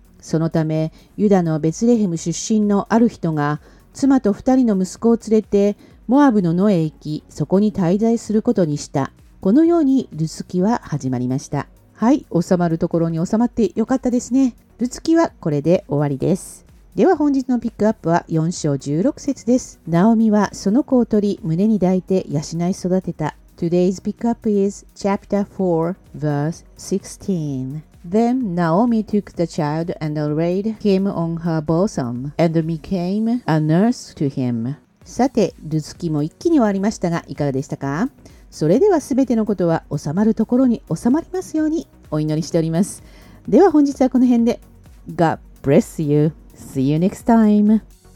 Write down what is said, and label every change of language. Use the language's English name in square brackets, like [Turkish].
[Japanese] そのため、ユダのベツレヘム出身のある人が、妻と二人の息子を連れて、モアブの野へ行き、そこに滞在することにした。このように、ルツ記は始まりました。はい、収まるところに収まってよかったですね。ルツ記はこれで終わりです。では本日のピックアップは4章16節です。ナオミはその子を取り、胸に抱いて養い育てた。 [English] Today's pick up is chapter 4, verse 16. Then Naomi took the child and laid him on her bosom, and became a nurse to him. [Japanese] さて、ルツ記も一気に終わりましたが、いかがでしたか？それではすべてのことは収まるところに収まりますようにお祈りしております。では本日はこの辺で。 [English] God bless you. See you next time.